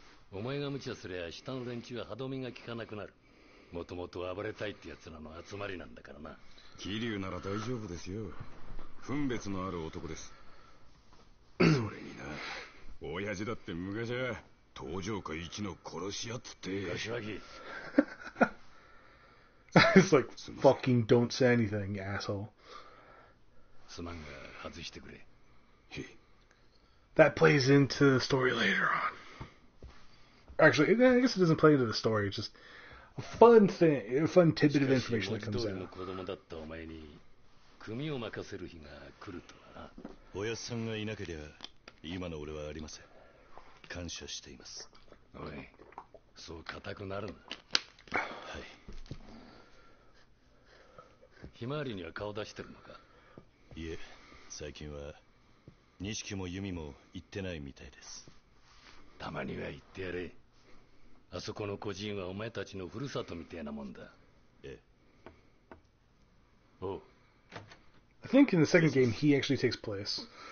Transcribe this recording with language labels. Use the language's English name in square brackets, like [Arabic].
[Japanese] お前が無茶すりゃ下の連中は歯止めが効かなくなる。もともと暴れたいってやつらの集まりなんだからな。キリュウなら大丈夫ですよ。分別のある男です。それにな、親父だって昔は登場家一の殺し屋って。柏木 [English] It's like fucking don't say anything, you asshole. [Japanese] すまんが外してくれ。 [English] That plays into the story later on. Actually, I guess it doesn't play into the story. It's just a fun thing, a fun tidbit of information that comes out. [Japanese] しかし、もう一人の子供だったお前に組を任せる日が来るとはな。おやさんがいなければ今の俺はありません。感謝しています。おい、そう固くなるな。はい。ひまわりには顔出してるのか。いえ、最近は錦も弓も行ってないみたいです。たまには行ってやれ。あそこの孤児院はお前たちのふるさとみたいなもんだ。ええ。おう。 [English] I think in the second game, he actually takes place.